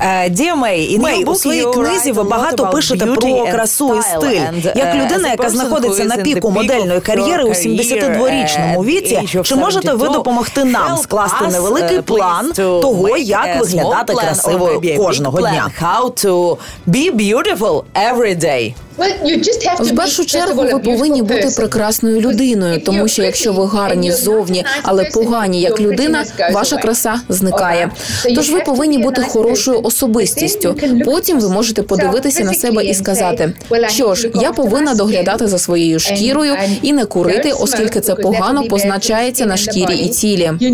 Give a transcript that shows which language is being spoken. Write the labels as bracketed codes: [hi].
[uk] Дія Мей, [en] in your book, [uk] у своїй книзі ви багато пишете про красу і стиль. Як людина, яка знаходиться на піку модельної кар'єри у 72-річному віці, чи можете ви допомогти нам скласти невеликий план того, як виглядати красивою кожного дня? [en] How to be beautiful every day. [uk] В першу чергу, ви повинні бути прекрасною людиною, тому що якщо ви гарні ззовні, але погані як людина, ваша краса зникає. Тож ви повинні бути хорошою особистістю. Потім ви можете подивитися на себе і сказати: «Що ж, я повинна доглядати за своєю шкірою і не курити, оскільки це погано позначається на шкірі і тілі».